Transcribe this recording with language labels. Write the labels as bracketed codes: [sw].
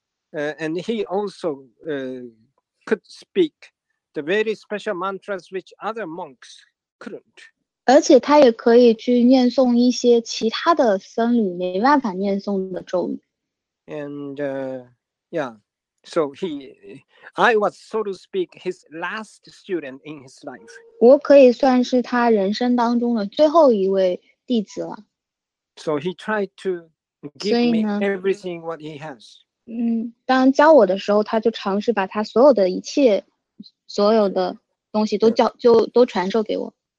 [en] And he also could speak the very special mantras which other monks couldn't. [zh] 而且他也可以去念诵一些其他的僧侣没办法念诵的咒语。 [en] And Yeah. So he, I was so to speak, his last student in his life. [zh] 我可以算是他人生当中的最后一位弟子了。 [en] So he tried to give me everything what he has. [zh] 当教我的时候，他就尝试把他所有的一切，所有的东西都教，就都传授给我。